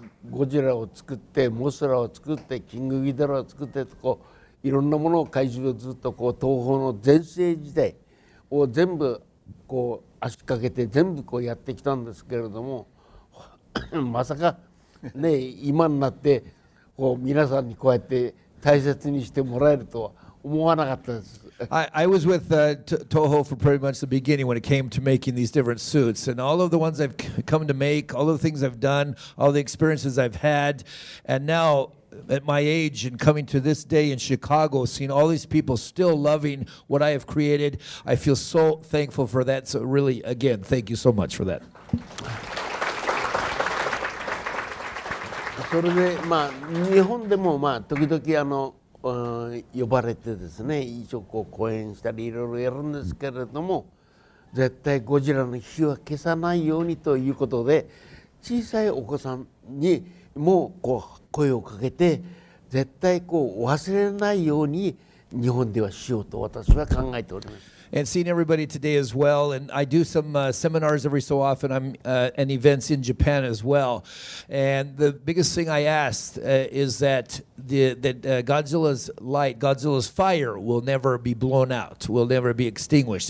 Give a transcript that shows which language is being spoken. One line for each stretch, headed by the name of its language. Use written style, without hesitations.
Japanese: Godzilla を作って、モスラを作って、キングギドラを作ってとこういろんなものを怪獣をずっとこう東方の全盛時代を全部こう足掛けて全部こうやってきたんですけれどもまさかね今になってこう皆さんにこうやって大切にしてもらえるとは思わなかったです。
English: I was with Toho for pretty much the beginning when it came to making these different suits. And all of the ones I've come to make, all of the things I've done, all the experiences I've had, and now at my age and coming to this day in Chicago, seeing all these people still loving what I have created, I feel so thankful for that. So really, again, thank you so much for that.
Japanese: それで、まあ、日本でも、まあ、時々あの、呼ばれてですね、一応こう講演したりいろいろやるんですけれども、絶対ゴジラの火は消さないようにということで、小さいお子さんにもこう声をかけて、絶対こう忘れないように日本ではしようと私は考えております。
English: And seeing everybody today as well, and I do some seminars every so often, and events in Japan as well. And the biggest thing I asked is that Godzilla's light, Godzilla's fire will never be blown out, will never be extinguished.